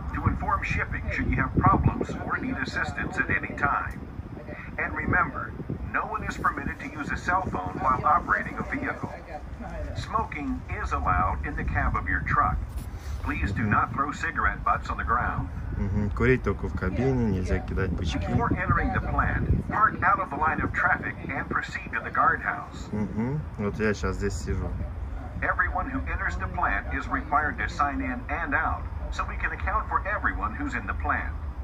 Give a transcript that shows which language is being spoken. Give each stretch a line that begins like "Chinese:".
English: To inform shipping should you have problems or need assistance at any time. And remember, no one is permitted to use a cell phone while operating a vehicle. Smoking is allowed in the cab of your truck. Please do not throw cigarette butts on the ground.
Russian: Курить только в кабине, нельзя кидать бычки.
English: Before entering the plant, park out of the line of traffic and proceed to the guardhouse.
Russian: Вот я сейчас здесь сижу.
English: Everyone who enters the plant is required to sign in and out, so we can account for everyone who's in the plant.